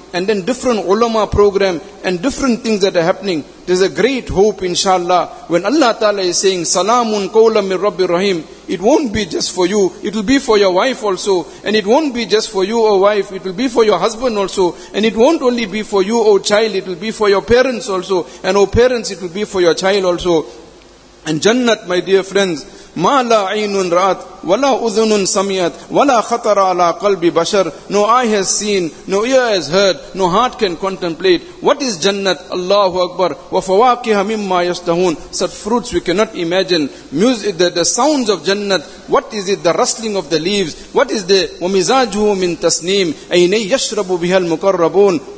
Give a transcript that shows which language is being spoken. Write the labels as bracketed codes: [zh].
[en] and then different ulama program, and different things that are happening, there's a great hope inshallah, when Allah Ta'ala is saying, [ar] salamun qawlam min rabbi rahim, [en] it won't be just for you, it will be for your wife also, and it won't be just for you, O wife, it will be for your husband also, and it won't only be for you, O child, it will be for your parents also, and O parents, it will be for your child also. And Jannat, my dear friends, [ar] مَا لَا عَيْنٌ رَأَتْ وَلَا أُذُنٌ سَمِيَتْ وَلَا خَطَرَ عَلَىٰ قَلْبِ بَشَرٍ. [en] No eye has seen, no ear has heard, no heart can contemplate. What is Jannat? Allahu Akbar. [ar] وَفَوَاكِهَ مِمَّا يَشْتَهُونَ. [en] Such fruits we cannot imagine. Music, the sounds of Jannat. What is it? The rustling of the leaves. What is the [ar] وَمِزَاجُهُ مِنْ تَسْنِيمٍ أَيْنَي يَشْرَبُ بِهَا الْمُقَرَّبُونَ.